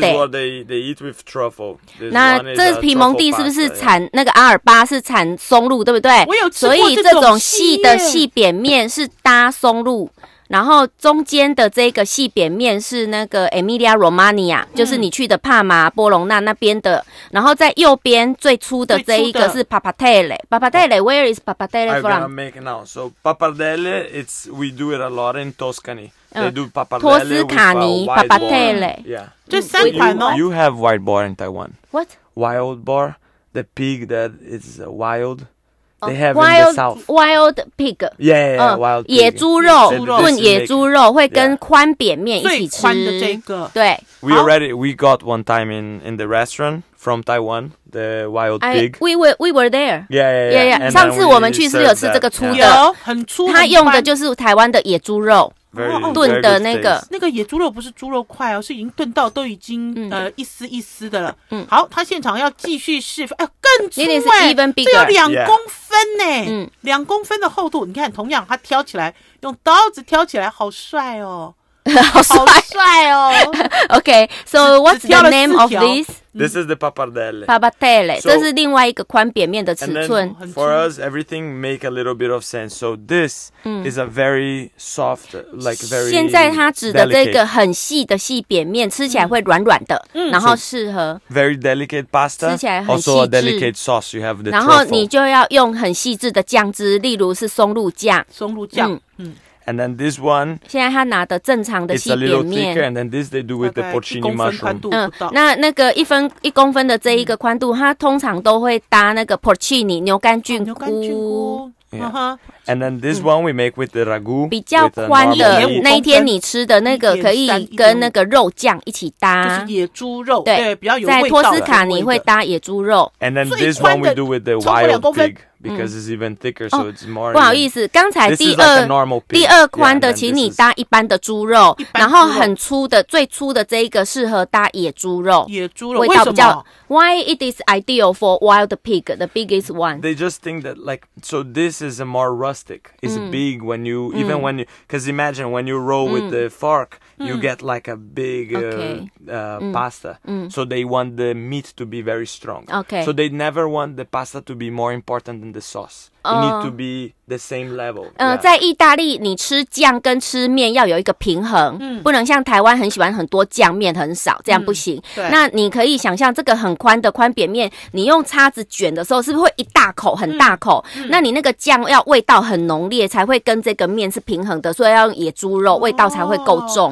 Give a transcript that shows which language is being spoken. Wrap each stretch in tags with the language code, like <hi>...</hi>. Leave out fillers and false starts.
<en>This is what they eat with truffle、This、</en> <zh>那这皮蒙地是不是产、yeah. 那个阿尔巴是产松露对不对，我有吃过，所以这种细的细扁面是搭松露，然后中间的这个细扁面是那个 Emilia Romagna、嗯、就是你去的帕玛波隆纳那边的，然后在右边最粗的这一个是 Pappardelle Pappardelle、</zh> <en>oh, Where is Pappardelle from? I'm gonna make it now. So Pappardelle it's, we do it a lot in Toscany. They do Pappardelle</en> <zh>托斯卡尼 Pappardelle、</zh> <en>yeah.</en> <zh>这三款哦</zh> <en>you have wild boar in Taiwan. What? Wild boar, the pig that is wildThey have wild, in the south. Wild pig. Yeah, yeah, yeah wild pig.</en> <zh>野猪肉炖野猪肉会跟宽扁面一起吃。最宽的这个。对。</zh> <en>We already, we got one time in the restaurant from Taiwan, the wild pig. We were there. Yeah, yeah, yeah. yeah, yeah.</en> <zh>上次我们去是有吃这个粗的。有，很粗很宽。他用的就是台湾的野猪肉。炖的那个野猪肉不是猪肉块哦，是已经炖到都已经、一丝一丝的了、嗯、好他现场要继续示范、哎、更粗耶、欸、这有两公分耶、欸 yeah. 两公分的厚度，你看同样他挑起来用刀子挑起来好帅哦好帅好帅哦</zh> <en>OK so what's the name of this This is the pappardelle</en> <zh>pappardelle、so, 这是另外一个宽扁面的尺寸</zh> <en>For us everything make a little bit of sense So this、</en> <zh>嗯、</zh> <en>is a very soft Like very</en> <zh>现在它指的这个很细的细扁面、</zh> <en>delicate.</en> <zh>吃起来会软软的、嗯、然后适合</zh> <en>so, Very delicate pasta</en> <zh>吃起来很细致</zh> <en>Also a delicate sauce You have the truffle</en> <zh>然后你就要用很细致的酱汁，例如是松露酱松露酱、嗯嗯</zh> <en>And then this one,</en> <zh>现在他拿的正常的细扁面</zh> <en>It's a little thicker and then this they do with the porcini mushroom</en> <zh>宽度不到、那那个一分一公分的这一个宽度、嗯、它通常都会搭那个 porcini 牛肝菌菇、</zh> <en>yeah. And then this one we make with the ragu</en> <zh>比较宽的那一天你吃的那个可以跟那个肉酱一起搭就是野猪肉对, 对比较有味道的在托斯卡尼会搭野猪肉</zh> <en>And then this one we do with the wild pig Because it's even thicker,、嗯、so it's more.</en> <zh>不好意思，刚才第二、</zh> <en>like、</en> <zh>第二宽的，请你搭一般的猪肉，</zh> <en>yeah,</en> <zh>然后很粗的，最粗的这一个适合搭野猪肉。野猪肉味道比较。</zh> <en>Why it is ideal for wild pig, the biggest one? They just think that like, so this is a more rustic. It's、嗯、big when you even、嗯、when you, because imagine when you roll with、嗯、the fork,、嗯、you get like a big pasta.、嗯、so they want the meat to be very strong. Okay. So they never want the pasta to be more important than the sauce. It need to be the same level.、Yeah.</en> <zh>在意大利，你吃酱跟吃面要有一个平衡，嗯、不能像台湾很喜欢很多酱，面很少，这样不行、嗯。对。那你可以想象这个很宽的宽扁面，你用叉子卷的时候，是不是会一大口很大口、嗯？那你那个酱要味道很浓烈，才会跟这个面是平衡的，所以要用野猪肉，味道才会够重、</zh>